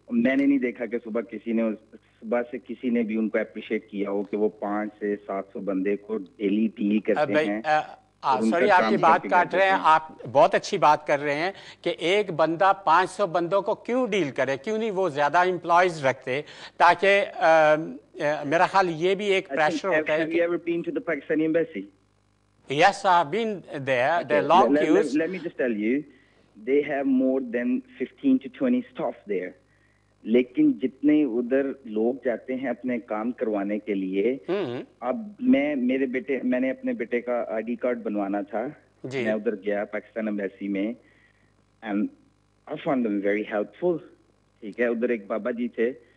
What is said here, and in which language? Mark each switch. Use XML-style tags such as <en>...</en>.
<hi>मैंने नहीं देखा कि सुबह किसी ने, सुबह से किसी ने भी उनको अप्रिशिएट किया हो कि वो 500-700 बंदे को डेली डील करते हैं। सॉरी आपकी बात काट रहे हैं, आप बहुत अच्छी बात कर रहे हैं कि एक बंदा 500 बंदों को क्यों डील करे, क्यों नहीं वो ज्यादा एम्प्लॉयज रखते, ताकि मेरा ख्याल ये भी एक प्रेशर होता है।</hi> <en>Have you ever been to the Pakistani embassy? Yes, I've been there. They're long queues. Let me just tell you, they have more than 15 to 20 staff there.</en> <hi>लेकिन जितने उधर लोग जाते हैं अपने काम करवाने के लिए, अब मैं, मेरे बेटे, मैंने अपने बेटे का आईडी कार्ड बनवाना था, मैं उधर गया पाकिस्तान एम्बेसी में,</hi> <en>And I found them very helpful.</en> <hi>ठीक है, उधर एक बाबा जी थे</hi>